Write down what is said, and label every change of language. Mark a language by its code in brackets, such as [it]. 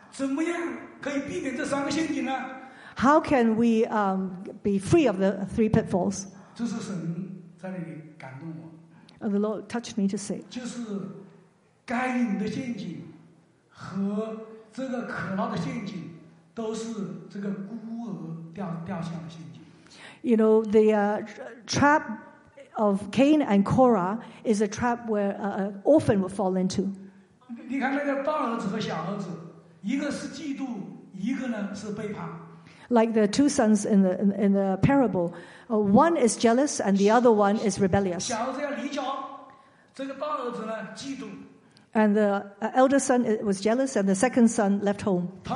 [zh] 怎么样可以避免这三个陷阱呢？ [en] How can we be free of the three pitfalls? [zh] 这是神在那里感动我。 [en] Oh, the Lord touched me to say. [zh] 就是该隐的陷阱和这个可拉的陷阱都是这个孤儿掉下的陷阱。 [en] You know, the trap of Cain and Korah is a trap where an orphan will fall into. [zh] 你看那个大儿子和小儿子，一个是嫉妒，一个呢是背叛。 [en] like the two sons in the parable. One is jealous and the other one is rebellious. And the elder son was jealous and the second son left home.